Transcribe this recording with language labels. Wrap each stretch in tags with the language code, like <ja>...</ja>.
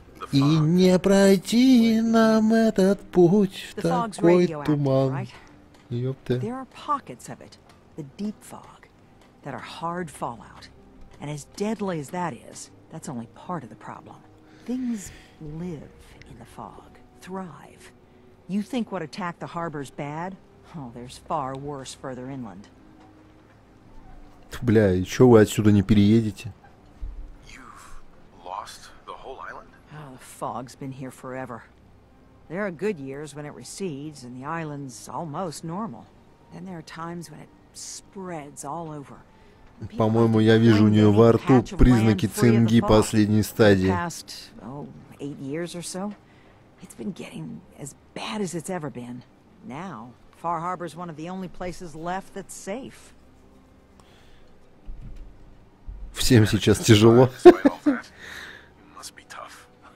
<ru>И не пройти нам этот путь в такой туман. Ёпта.</ru> <en>The deep fog that are hard fallout, and as deadly as that is, that's only part of the problem. Things live in the fog, thrive. You think what attacked the harbor's bad? Oh, there's far worse further inland.</en> <ru>Бля, и чё вы отсюда не переедете?</ru> <en>You've lost the whole island? Oh, the fog's been here forever. There are good years when it recedes and the island's almost normal. Then there are times when it spreads all over.</en> <ru>По-моему, я вижу у нее во рту признаки цинги последней стадии.</ru> <en>Now, Far Harbor's one of the only places left that's safe.</en> <ru>Всем сейчас тяжело.</ru> <en>Must be tough.</en>